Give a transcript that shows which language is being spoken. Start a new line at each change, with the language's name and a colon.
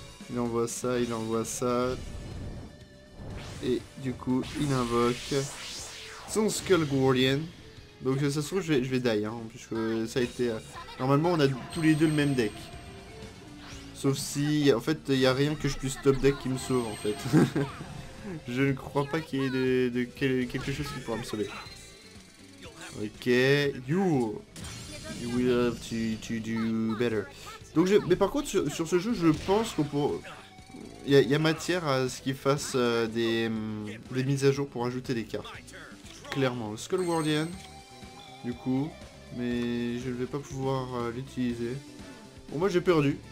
French: Il envoie ça, il envoie ça. Et du coup, il invoque son Skull Guardian. Donc ça se trouve, je vais die, hein, puisque ça a été... Normalement, on a tous les deux le même deck. Sauf si, en fait, il n'y a rien que je puisse top deck qui me sauve, en fait. Je ne crois pas qu'il y ait quelque chose qui pourra me sauver.
English: Ok, you will have to do better.
French: Donc mais par contre, sur ce jeu, je pense qu'on pourra... Il y a matière à ce qu'ils fassent des mises à jour pour ajouter des cartes. Clairement, Skull Guardian, du coup, mais je ne vais pas pouvoir l'utiliser. Bon, moi j'ai perdu.